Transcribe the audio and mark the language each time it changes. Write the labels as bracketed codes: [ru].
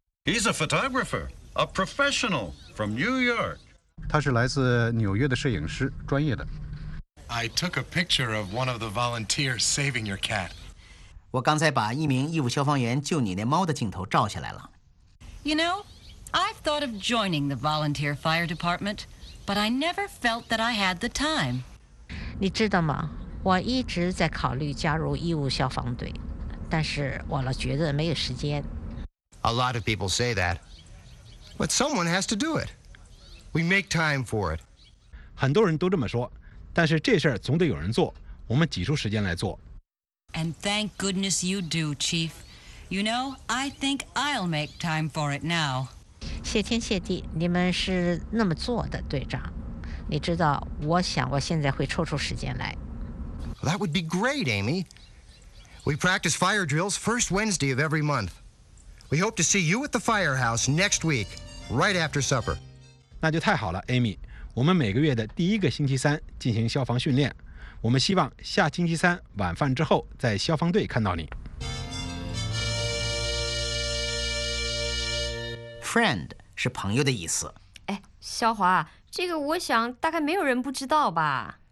[en] He's a photographer, a professional from New York. [zh] 他是来自纽约的摄影师，专业的。 [en] I took a picture of one of the volunteers saving your cat. [zh] 我刚才把一名义务消防员救你那猫的镜头照下来了。 [en] You know,I've thought of joining the volunteer fire department, but I never felt that I had the time. [zh] 你知道吗？我一直在考虑加入义务消防队，但是我老觉得没有时间。 [en] A lot of people say that, but someone has to do it. We make time for it. [zh] 很多人都这么说，但是这事儿总得有人做，我们挤出时间来做。 [en] And thank goodness you do, Chief. You know, I think I'll make time for it now. [zh] 谢天谢地，你们是那么做的，队长。你知道，我想我现在会抽出时间来。 [en] That would be great, Amy. We practice fire drills first Wednesday of every month. We hope to see you at the firehouse next week, right after supper. [zh] 那就太好了 ，Amy。我们每个月的第一个星期三进行消防训练。我们希望下星期三晚饭之后在消防队看到你。 Friend 是朋友的意思。哎，肖华，这个我想大概没有人不知道吧。